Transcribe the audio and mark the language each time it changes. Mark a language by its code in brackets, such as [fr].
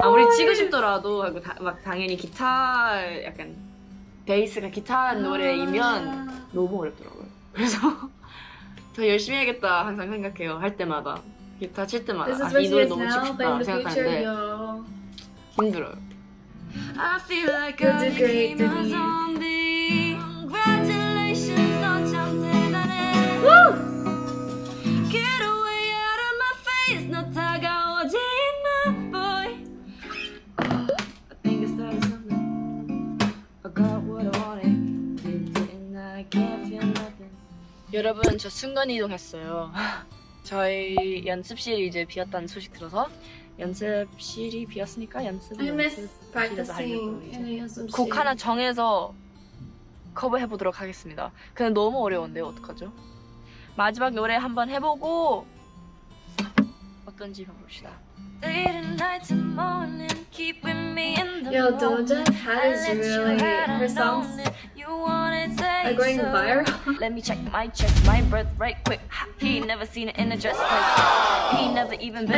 [ko] 아무리 치고 싶더라도 막 당연히 기타 약간 베이스가 기타 노래이면 너무 어렵더라고요. 그래서 더 열심히 해야겠다 항상 생각해요. 할 때마다. 기타 칠 때마다 아, 이 노래 너무 치고 싶다 생각하는데 힘들어요. [en] I feel like I became a zombie. Congratulations, [ko] 넌 참 대단해. [en] Get away out of my face. [ko] 너 다가오지 마, [en] boy. I think I started something. I got what I wanted. And I can't feel nothing. [ko] 여러분, 저 순간 이동했어요. 저희 연습실이 이제 비었다는 소식 들어서 연습실이 비었으니까 연습을 하려고 곡 하나 정해서 커버해보도록 하겠습니다. 근데 너무 어려운데 어떡하죠? 마지막 노래 한번 해보고 어떤지 봐봅시다. [en] Yo, Doja Cat is really her songs. Are going viral. Let me check my chest, my breath right quick. He never seen it in a dress like he never even been.